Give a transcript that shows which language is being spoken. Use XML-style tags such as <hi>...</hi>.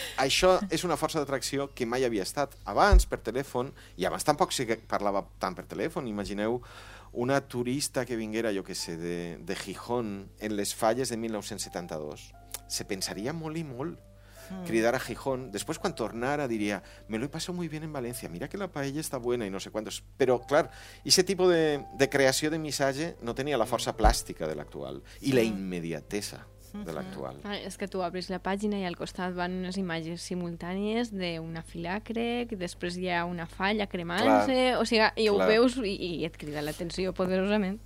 <ca>Això és una força d'atracció que mai havia estat abans per telèfon, i abans tampoc sí que parlava tant per telèfon. Imagineu una turista que vinguera, jo que sé, de Gijón en les falles de 1972. Se pensaria molt i molt cridar a Gijón.</ca> <es>Después,</es> <ca>quan tornara, diria,</ca> <es>me lo he pasado muy bien en València, mira que la paella está buena, y no sé cuántos.</es> <ca>Però, clar,</ca> <es>ese tipo de</es> <ca>creació de missatge no tenia la força plàstica de l'actual i la immediatesa de l'actual. És que tu obris la pàgina i al costat van unes imatges simultànies d'una fila, crec, després hi ha una falla cremant-se, o sigui, i ho veus i et crida l'atenció poderosament.</ca>